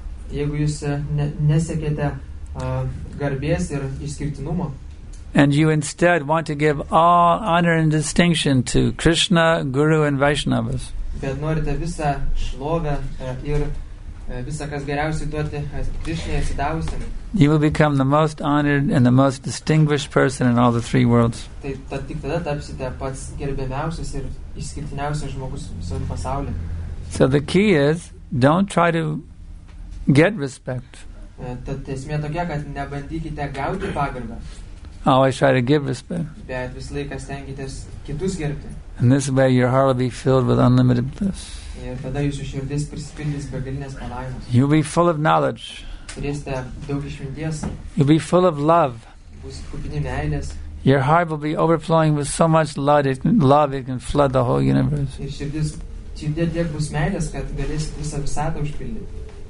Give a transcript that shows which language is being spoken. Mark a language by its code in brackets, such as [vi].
[lt] jeigu jūs nesiekiate garbės ir išskirtinumo, [en] and you instead want to give all honor and distinction to Krishna, Guru, and Vaishnavas, [lt] bet norite visą šlovę ir visą, kas geriausiai duoti Krishna atsidavusiam, [en] you will become the most honored and the most distinguished person in all the three worlds. [lt] Tai tik tada tapsite pats gerbiamiausias ir išskirtiniausias žmogus visame pasaulyje. [en] So the key is, don't try to get respect. [lt] Tad esmė tokia, kad nebandykite gauti pagarbą. [en] Always try to give respect. [lt] Bet visą laiką stengitės kitus gerbti. [en] And this way your heart will be filled with unlimited bliss. [lt] Ir tada jūsų širdis prisipildys begalinės palaimos. [en] You'll be full of knowledge. [lt] Turėsite daug išminties. [en] You'll be full of love. [lt] Būsit kupini meilės. [en] Your heart will be overflowing with so much love it can flood the whole universe. [lt] Ir širdis judėt tiek bus meilės, kad galės visą visatą užpildyti.